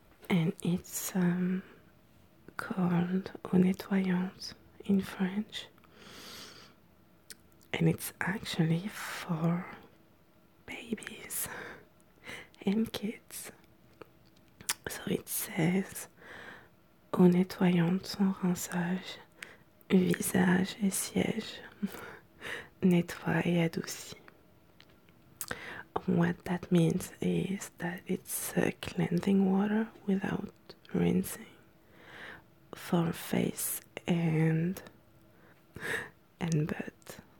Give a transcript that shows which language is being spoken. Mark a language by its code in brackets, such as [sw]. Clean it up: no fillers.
[en] And it's called Eau Nettoyante in French. And it's actually for babies and kids. So it says, [fr] Eau nettoyante sans rinçage, visage et siège, nettoie et adoucit. [en] What that means is that it's a cleansing water without rinsing for face and butt.